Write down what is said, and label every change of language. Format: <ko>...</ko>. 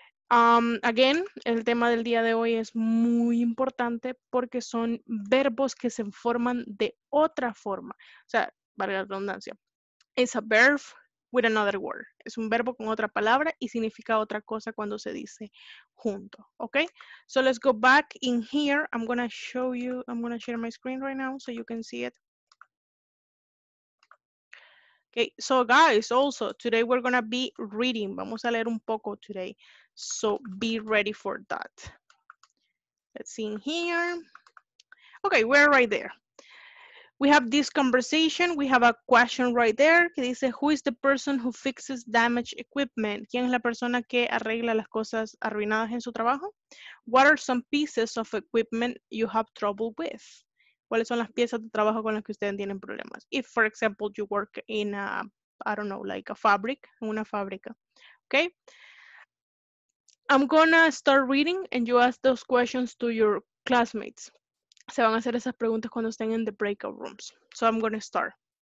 <es>Again, el tema del día de hoy es muy importante porque son verbos que se forman de otra forma. O sea, valga la redundancia.</es> <en>It's a verb with another word.</en> <es>Es un verbo con otra palabra y significa otra cosa cuando se dice junto.</es> <en>Okay? So let's go back in here. I'm gonna share my screen right now so you can see it. Okay, so guys, also today we're gonna be reading.</en> <es>Vamos a leer un poco today.</es> <en>So be ready for that. Let's see in here. Okay, we're right there. We have this conversation. We have a question right there.</en> <es>Que dice,</es> <en>who is the person who fixes damaged equipment?</en> <es>¿Quién es la persona que arregla las cosas arruinadas en su trabajo?</es> <en>What are some pieces of equipment you have trouble with?</en> <es>¿Cuáles son las piezas de trabajo con las que ustedes tienen problemas?</es> <en>If, for example, you work in a, I don't know, like a fabric, una fábrica. Okay. I'm gonna start reading and you ask those questions to your classmates.</en> <es>Se van a hacer esas preguntas cuando estén en the breakout rooms.</es> <en>So I'm going to start.</en>